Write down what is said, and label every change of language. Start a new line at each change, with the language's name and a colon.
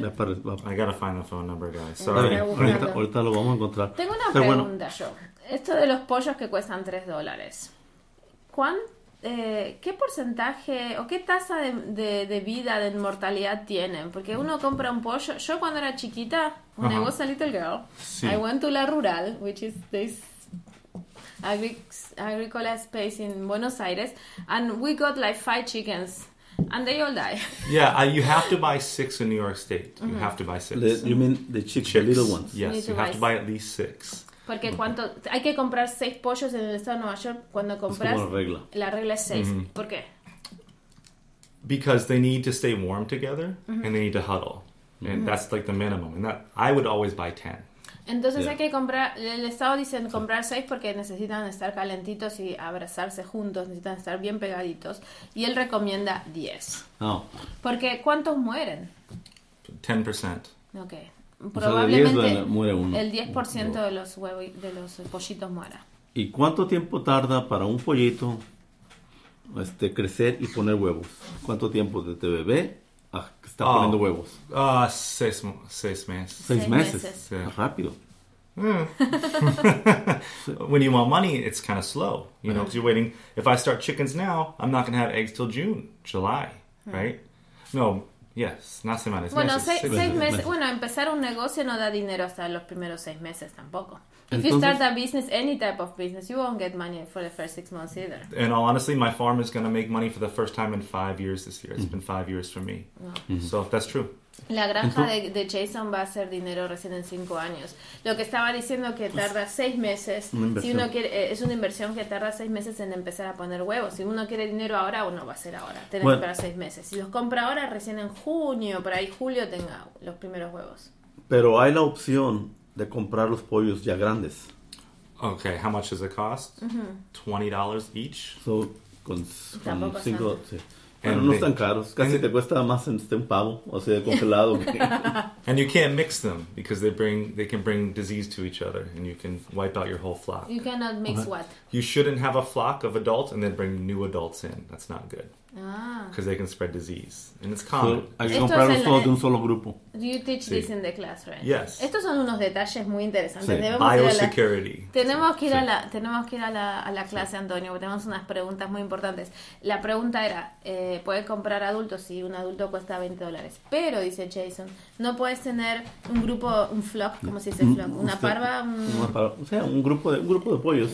English: I gotta find the phone number, guys. Sorry.
Spanish: Ahorita lo vamos a encontrar. Tengo una pregunta, bueno. Yo. Esto de los pollos que cuestan $3. ¿Qué porcentaje o qué tasa de vida, de mortalidad tienen? Porque uno compra un pollo. Yo cuando era chiquita,
English: when I was a little girl,
Spanish: sí.
English: I went to La Rural, which is this agricola space in Buenos Aires, and we got like 5 chickens. And they all die. Yeah, you have to buy 6 in New York State. You have to buy 6. You mean the chicks, the little ones? Yes, you have to buy at least 6.
Spanish: Porque cuánto hay que comprar 6 pollos en el estado de Nueva York cuando compras. Es como regla. La regla es 6. Mm-hmm. ¿Por qué?
English: Because they need to stay warm together and they need to huddle. Mm-hmm. And that's like the minimum. And that I would always buy 10.
Spanish: Entonces hay que comprar, el estado dicen comprar 6 porque necesitan estar calentitos y abrazarse juntos, necesitan estar bien pegaditos. Y él recomienda 10. No. Porque ¿cuántos mueren? 10%. Ok. Probablemente o sea, el 10% de los huevos, de los pollitos muera. ¿Y cuánto tiempo tarda para un pollito crecer y poner huevos? ¿Cuánto tiempo desde bebé? Está poniendo huevos. Ah, seis meses. Seis meses.
English: Yeah.
Spanish: Rápido. Mm.
English: When you want money, it's kind of slow. You know, because you're waiting. If I start chickens now, I'm not going to have eggs till June, July, right? No, yes, not
Spanish: seis meses. Bueno, seis meses. Bueno, empezar un negocio no da dinero hasta los primeros 6 meses tampoco.
English: If you start a business, any type of business, you won't get money for the first 6 months either. And all honestly, my farm is going to make money for the first time in 5 years this year. It's been 5 years for me. So that's true.
Spanish: La granja de Jason va a hacer dinero recién en 5 años. Lo que estaba diciendo que tarda 6 meses, si uno quiere, es una inversión que tarda 6 meses en empezar a poner huevos. Si uno quiere dinero ahora, uno va a hacer ahora. Tiene que esperar 6 meses. Si los compra ahora, recién en junio, por ahí julio, tenga los primeros huevos. Pero hay la opción de comprar los pollos ya grandes.
English: Okay, how much does it cost? Mm-hmm. $20 each. So,
Spanish: con cinco, sí. Bueno, no están caros. Casi te cuesta más en un pavo, o sea, de congelado.
English: And you can't mix them because they can bring disease to each other, and you can wipe out your whole flock. You cannot mix what? You shouldn't have a flock of adults and then bring new adults in. That's not good. Because they can spread disease. And it's common.
Spanish: Hay que comprarlos todos de un solo grupo.
English: Do you teach this in the class, right? Yes.
Spanish: Estos son unos detalles muy interesantes. Sí.
English: Biosecurity.
Spanish: Tenemos que ir a la clase, Antonio, porque tenemos unas preguntas muy importantes. La pregunta era, ¿puedes comprar adultos? Sí, un adulto cuesta $20. Pero, dice Jason, ¿no puedes tener un grupo, un flock, como se dice flock? Un grupo de pollos.